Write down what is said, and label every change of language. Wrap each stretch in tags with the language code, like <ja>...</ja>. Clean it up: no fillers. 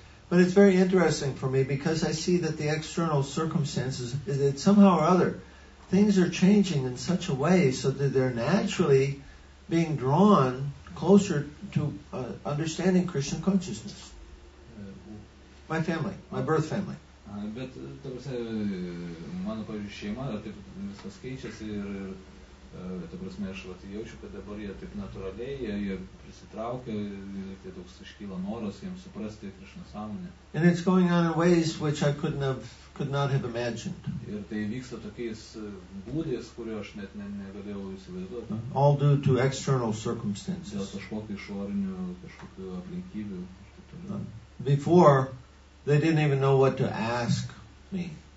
<en>But it's very interesting for me because I see that the external circumstances, that somehow or other, things are changing in such a way so that they're naturally being drawn closer to understanding Krishna consciousness. My family, my birth family.</en> <lt>But, mano, pavyzdžiui, šeima, taip viskas keičiasi ir Ta prasme, aš vat, jaučiu, kad dabar jie taip natūraliai, jie prisitraukia, tai toks iškyla noras jiems suprasti Krišnos sąmonę.</lt> <en>And it's going on in ways which I couldn't have, could not have imagined.</en> <lt>Ir tai vyksta tokiais būdės, kurio aš net negalėjau įsivaizduoti.</lt> <en>All due to external circumstances.</en> <lt>Dėl kažkokių išorinių, kažkokių aplinkybių.</lt> <en>Before, they didn't even know what to ask me.</en>